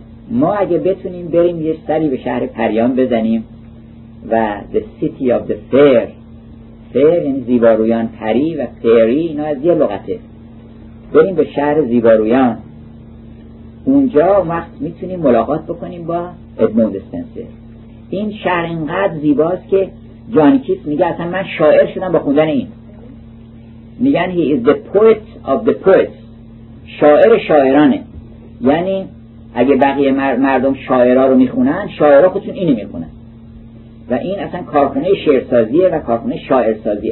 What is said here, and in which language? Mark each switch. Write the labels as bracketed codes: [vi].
[fa] ما اگه بتونیم بریم یه سری به شهر پریان بزنیم و [en] the city of the fair، [fa] fair یعنی زیبارویان، پری و فیری اینا از یه لغته، بریم به شهر زیبارویان، اونجا وقت میتونیم ملاقات بکنیم با ادموند اسپنسر. این شهر اینقدر زیباست که جان کیتس میگه اصلا من شاعر شدم با خوندن این. میگن [en] he is the poet of the poets، [fa] شاعر شاعرانه. یعنی اگه بقیه مردم شاعرها رو میخونن، شاعرها خودشون اینو میخونن. و این اصلا کارخونه شعرسازیه و کارخونه شاعرسازیه.